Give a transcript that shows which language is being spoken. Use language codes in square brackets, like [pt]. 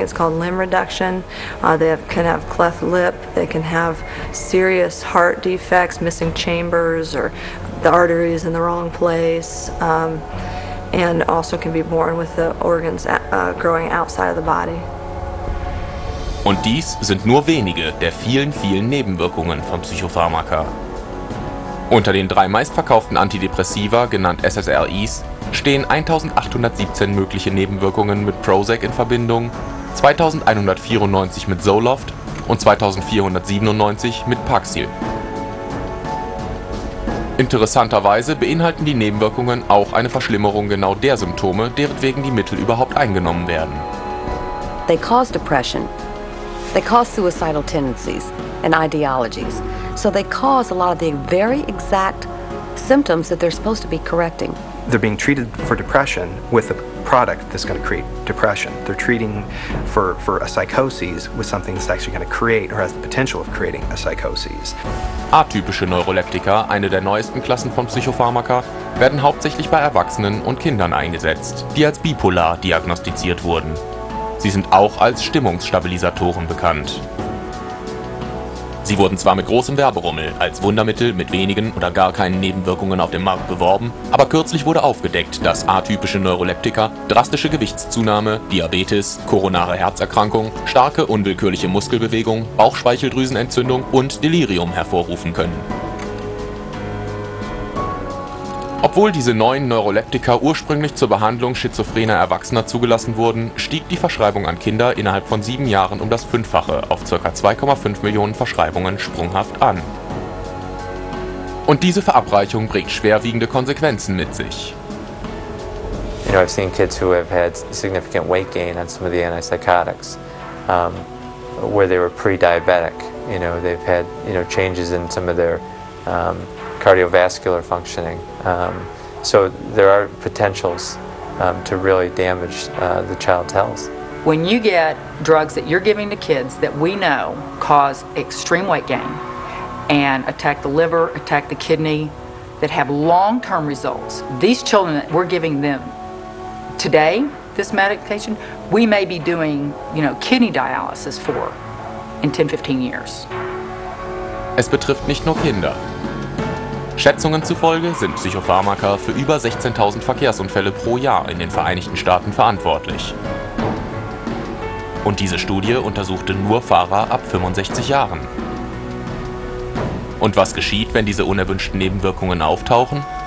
[en] It's called limb reduction. They can have cleft lip. They can have serious heart defects, missing chambers, or the arteries in the wrong place. And also can be born with the organs growing outside of the body. [de] Und dies sind nur wenige der vielen, vielen Nebenwirkungen von Psychopharmaka. Unter den drei meistverkauften Antidepressiva, genannt SSRIs, stehen 1817 mögliche Nebenwirkungen mit Prozac in Verbindung, 2194 mit Zoloft und 2497 mit Paxil. Interessanterweise beinhalten die Nebenwirkungen auch eine Verschlimmerung genau der Symptome, deretwegen die Mittel überhaupt eingenommen werden. [en] They cause depression. They cause suicidal tendencies and ideologies. So they cause a lot of the very exact symptoms that they're supposed to be correcting. They're being treated for depression with a product that's going to create depression. They're treating for a psychosis with something that's actually going to create or has the potential of creating a psychosis. [de] Atypische Neuroleptika, eine der neuesten Klassen von Psychopharmaka, werden hauptsächlich bei Erwachsenen und Kindern eingesetzt, die als bipolar diagnostiziert wurden. Sie sind auch als Stimmungsstabilisatoren bekannt. Sie wurden zwar mit großem Werberummel als Wundermittel mit wenigen oder gar keinen Nebenwirkungen auf dem Markt beworben, aber kürzlich wurde aufgedeckt, dass atypische Neuroleptika drastische Gewichtszunahme, Diabetes, koronare Herzerkrankung, starke unwillkürliche Muskelbewegung, Bauchspeicheldrüsenentzündung und Delirium hervorrufen können. Obwohl diese neuen Neuroleptika ursprünglich zur Behandlung schizophrener Erwachsener zugelassen wurden, stieg die Verschreibung an Kinder innerhalb von 7 Jahren um das Fünffache auf ca. 2,5 Millionen Verschreibungen sprunghaft an. Und diese Verabreichung bringt schwerwiegende Konsequenzen mit sich. [en] You know, I've seen kids who have had significant weight gain on some of the antipsychotics, where they were pre-diabetic. You know, they've had, you know, changes in some of their cardiovascular functioning. So there are potentials to really damage the child's health. When you get drugs that you're giving to kids that we know cause extreme weight gain and attack the liver, attack the kidney, that have long-term results, these children that we're giving them today, this medication, we may be doing, you know, kidney dialysis for in 10, 15 years. [de] Es betrifft nicht nur Kinder. Schätzungen zufolge sind Psychopharmaka für über 16.000 Verkehrsunfälle pro Jahr in den Vereinigten Staaten verantwortlich. Und diese Studie untersuchte nur Fahrer ab 65 Jahren. Und was geschieht, wenn diese unerwünschten Nebenwirkungen auftauchen?